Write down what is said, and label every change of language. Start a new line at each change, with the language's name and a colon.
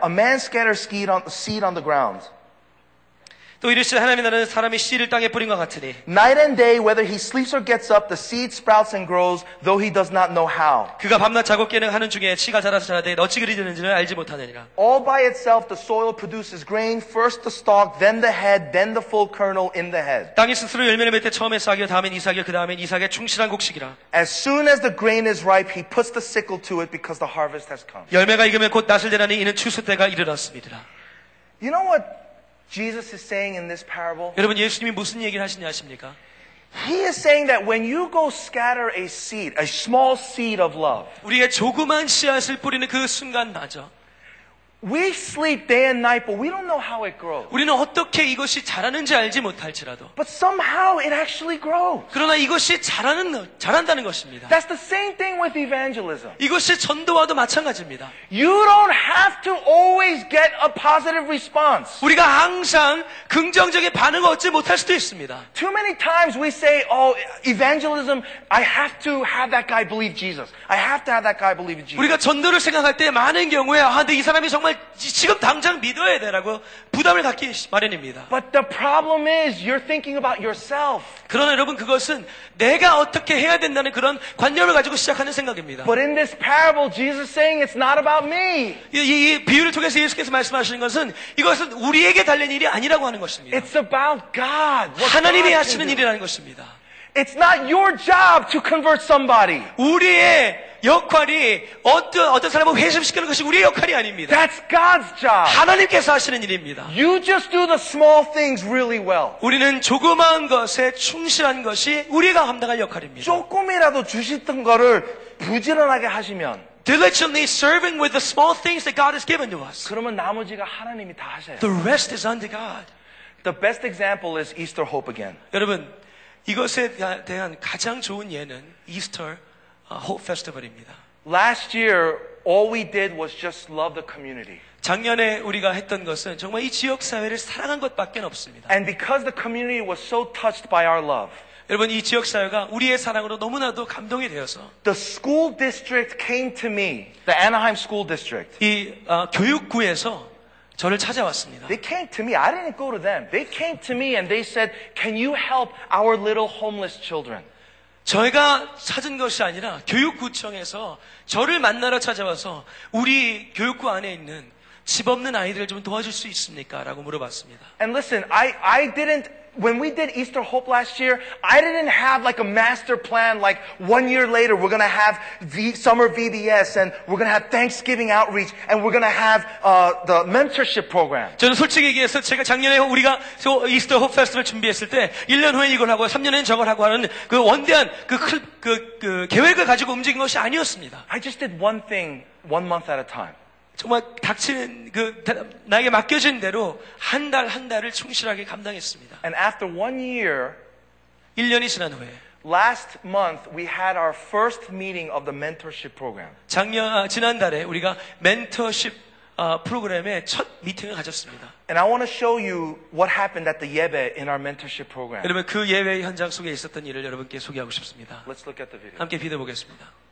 English: A man scatters seed on the ground."
Korean: 또 이르시되 하나님 나라는 사람이 씨를 땅에 뿌린 것 같으니.
English: Night and day, whether he sleeps or gets up, the seed sprouts and grows, though he does not know how.
Korean: 그가 밤낮 자고 깨는 하는 중에 씨가 자라서 자라되 어찌 그리 되는지는 알지 못하느니라.
English: All by itself, the soil produces grain, first the stalk, then the head, then the full kernel in the head.
Korean: 땅이 스스로 열매를 맺되 처음에 싹이요 다음엔 이삭이요 그 다음엔 이삭의 충실한 곡식이라.
English: As soon as the grain is ripe, he puts the sickle to it because the harvest has come.
Korean: 열매가 익으면 곧 낫을 때라니 이는 추수 때가 이르렀음이니라.
English: You know what? Jesus is saying in this parable.
Korean: 여러분 예수님이 무슨 얘기를 하시냐 하십니까?
English: He is saying that when you go scatter a seed, a small seed of love.
Korean: 우리의 조그만 씨앗을 뿌리는 그 순간마저
English: We sleep day and night, but we don't know how it grows.
Korean: 우리는 어떻게 이것이 자라는지 알지 못할지라도.
English: But somehow it actually grows.
Korean: 그러나 이것이 자란다는 것입니다.
English: That's the same thing with evangelism.
Korean: 이것이 전도와도 마찬가지입니다.
English: You don't have to always get a positive response.
Korean: 우리가 항상 긍정적인 반응을 얻지 못할 수도 있습니다.
English: Too many times we say, "Oh, evangelism, I have to have that guy believe Jesus. I have to have that guy believe Jesus."
Korean: 우리가 전도를 생각할 때 많은 경우에 근데 이 사람이 정말 지금 당장 믿어야 되라고 부담을 갖기 마련입니다.
English: But the problem is you're thinking about yourself.
Korean: 그러나 여러분 그것은 내가 어떻게 해야 된다는 그런 관념을 가지고 시작하는 생각입니다.
English: But in this parable, Jesus is saying it's not about me.
Korean: 이 비유를 통해서 예수께서 말씀하시는 것은 이것은 우리에게 달린 일이 아니라고 하는 것입니다.
English: It's about God.
Korean: 하나님이 하시는 일이라는 것입니다.
English: It's not your job to convert somebody.
Korean: 우리의 역할이 어떤 사람을 회심시키는 것이 우리의 역할이 아닙니다.
English: That's God's job.
Korean: 하나님께서 하시는 일입니다.
English: You just do the small things really well.
Korean: 우리는 조그만 것에 충실한 것이 우리가 감당할 역할입니다. 조금이라도 주시던 거를 부지런하게 하시면
English: Diligently serving with the small things that God has given to us.
Korean: 그러면 나머지가 하나님이 다 하셔요.
English: The rest is unto God. The best example is Easter hope again.
Korean: 여러분, 이것에 대한 가장 좋은 예는 Easter Hope Festival입니다.
English: Last year, all we did was just love the community.
Korean: 작년에 우리가 했던 것은 정말 이 지역 사회를 사랑한 것밖에 없습니다.
English: And because the community was so touched by our love.
Korean: 여러분 이 지역 사회가 우리의 사랑으로 너무나도 감동이 되어서
English: The school district came to me. The Anaheim school district.
Korean: 이 교육구에서 저를 찾아왔습니다.
English: They came to me. I didn't go to them. They came to me and they said, "Can you help our little homeless children?"
Korean: 저희가 찾은 것이 아니라 교육구청에서 저를 만나러 찾아와서 우리 교육구 안에 있는 집 없는 아이들을 좀 도와줄 수 있습니까? 라고 물어봤습니다.
English: And listen, I didn't When we did Easter Hope last year, I didn't have like a master plan like 1 year later we're going to have summer VBS and we're going to have Thanksgiving outreach and we're going to have the mentorship program.
Korean: 저는 솔직히 얘기해서 제가 작년에 우리가 Easter Hope Festival 준비했을 때 1년 후에 이걸 하고 3년 후에 저걸 하고 하는 그 원대한 그 계획을 가지고 움직인 것이 아니었습니다.
English: I just did one thing one month at a time.
Korean: 정말 닥치는 그 나에게 맡겨진 대로 한 달 한 달을 충실하게 감당했습니다.
English: And after 1 year,
Korean: 1년이 지난 후에
English: last month we had our first meeting of the mentorship program.
Korean: 작년 지난 달에 우리가 멘토십 프로그램의 첫 미팅을 가졌습니다.
English: And I want to show you what happened at the yebe in our mentorship program.
Korean: 여러분 그 예배 현장 속에 있었던 일을 여러분께 소개하고 싶습니다.
English: Let's look at the video.
Korean: 함께 비디오 보겠습니다.